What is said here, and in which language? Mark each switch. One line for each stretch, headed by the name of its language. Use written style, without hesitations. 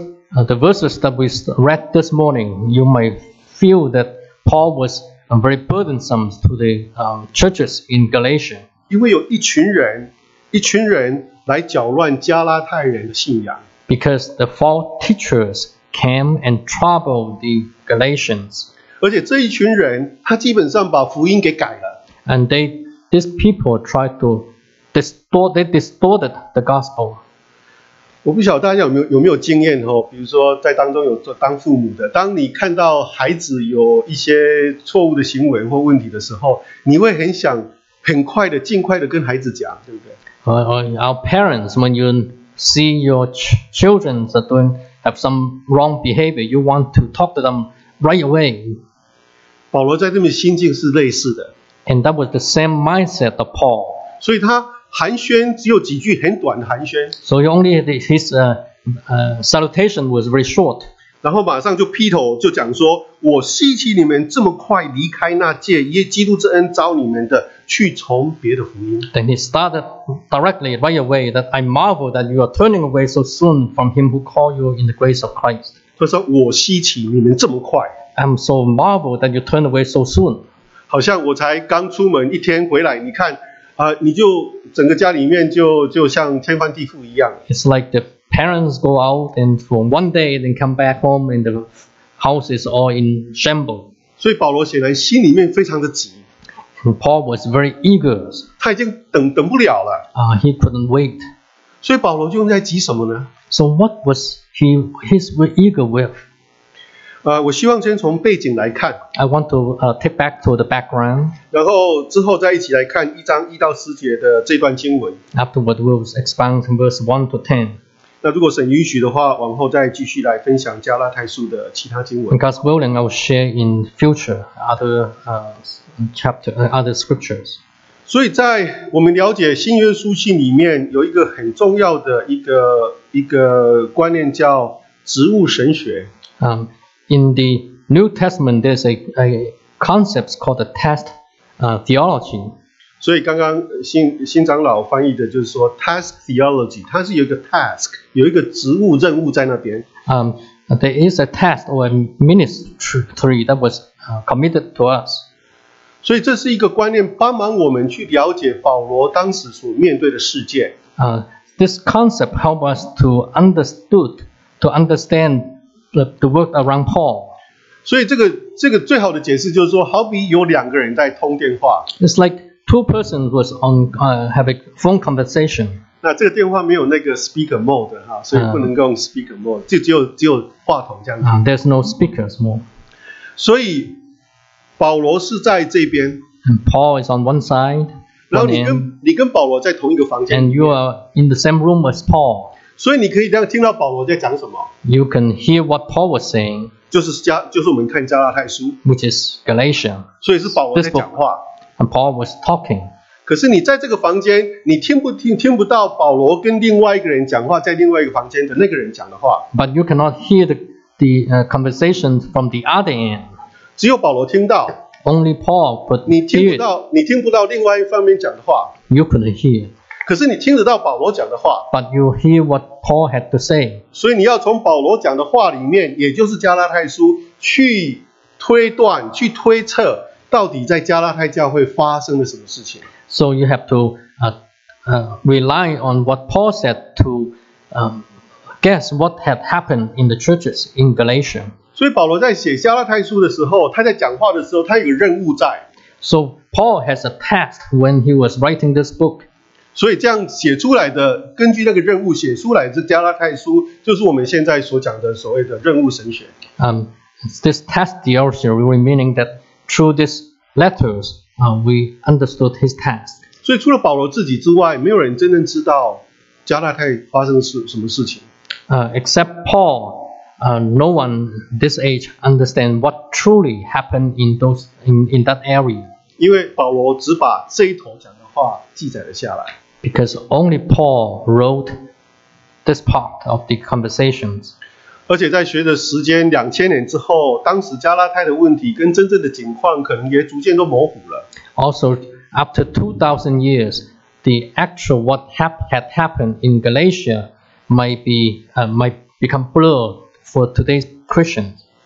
English: The verses that we read this morning, you may feel that Paul was very burdensome to the churches in Galatia.
Chinese: 因为有一群人来搅乱加拉太人的信仰。
English: Because the false teachers came and troubled the Galatians.
Chinese: 而且这一群人，他基本上把福音给改了。
English: And these people tried to distorted the gospel.
Chinese: 我不晓得大家有没有经验哦，比如说在当中有做当父母的，当你看到孩子有一些错误的行为或问题的时候，你会很想很快的、尽快的跟孩子讲，对不对？
English: Our parents, when you see your children have some wrong behavior, you want to talk to them right away.
Chinese: 保罗在这边心境是类似的。
English: And that was the same mindset of Paul.
Chinese: 所以他寒暄只有几句很短的寒暄。
English: So only his salutation was very short.
Chinese: 然后马上就劈头就讲说，我稀奇你们这么快离开那借耶基督之恩招你们的，去从别的福音。
English: Then he started directly right away that I marvel that you are turning away so soon from him who called you in the grace of Christ.
Chinese: 他说我稀奇你们这么快。
English: I'm so marvel that you turn away so soon.
Chinese: 好像我才刚出门一天回来，你看，你就整个家里面就像天翻地覆一样。
English: It's like the parents go out and for one day, then come back home and the house is all in shambles.
Chinese: 所以保罗显然心里面非常的急。
English: And Paul was very eager.
Chinese: 他已经等不了了。
English: He couldn't wait.
Chinese: 所以保罗就在急什么呢
English: ？So what was he's eager with?
Chinese: 我希望先从背景来看。
English: I want to take back to the background.
Chinese: 然后之后再一起来看一章一到十节的这段经文。
English: Afterward, we'll expand from verse 1 to 10.
Chinese: 那如果神允许的话，往后再继续来分享加拉太书的其他经文。
English: God's willing, I will share in future other chapter, other scriptures.
Chinese: 所以在我们了解新约书信里面有一个很重要的一个观念叫植物神学。
English: In the New Testament, there's a concept called the test theology.
Chinese: 所以刚刚新长老翻译的就是说 task theology, 它是有一个 task, 有一个职务任务在那边。
English: There is a task or a ministry that was committed to us.
Chinese: 所以这是一个观念帮忙我们去了解保罗当时所面对的世界。
English: This concept helps us to understand the work around Paul.
Chinese: 所以这个最好的解释就是说，好比有两个人在通电话。
English: It's like two persons was on have a phone conversation.
Chinese: 那这个电话没有那个 speaker mode 哈，所以不能够用 speaker mode， 就只有话筒这样子。
English: There's no speakers mode.
Chinese: 所以保罗是在这边。
English: And Paul is on one side.
Chinese: 然后你跟保罗在同一个房间。
English: And you are in the same room as Paul.
Chinese: 所以你可以这样听到保罗在讲什么。
English: You can hear what Paul was saying.
Chinese: 就是我们看加拉太书。
English: Which is Galatia.
Chinese: 所以是保罗在讲话。
English: And Paul was talking.
Chinese: 可是你在这个房间，你听不到保罗跟另外一个人讲话，在另外一个房间的那个人讲的话。
English: But you cannot hear the conversation from the other end.
Chinese: 只有保罗听到。
English: Only Paul could hear.
Chinese: 你听不到另外一方面讲的话。
English: You couldn't hear.
Chinese: 可是你听得到保罗讲的话。
English: But you hear what Paul had to say.
Chinese: 所以你要从保罗讲的话里面，也就是加拉太书，去推断、去推测，到底在加拉太教会发生了什么事情。
English: So you have to rely on what Paul said to guess what had happened in the churches in Galatia.
Chinese: 所以保罗在写加拉太书的时候，他在讲话的时候，他有任务在。
English: So Paul has a task when he was writing this book.
Chinese: 所以这样写出来的，根据那个任务写出来的加拉太书，就是我们现在所讲的所谓的任务神学。
English: This task theology meaning that through these letters, we understood his task.
Chinese: 所以除了保罗自己之外，没有人真正知道加拉太发生什么事情。
English: Except Paul, no one this age understand what truly happened in in that area.
Chinese: 因为保罗只把这一头讲的话记载了下来。
English: Because only Paul wrote this part of the conversations.
Chinese: 而且在学的时间2000年之后，当时加拉太的问题跟真正的情况可能也逐渐都模糊了。
English: Also, after 2000 years, the actual what had happened in Galatia might become blurred for today's Christians.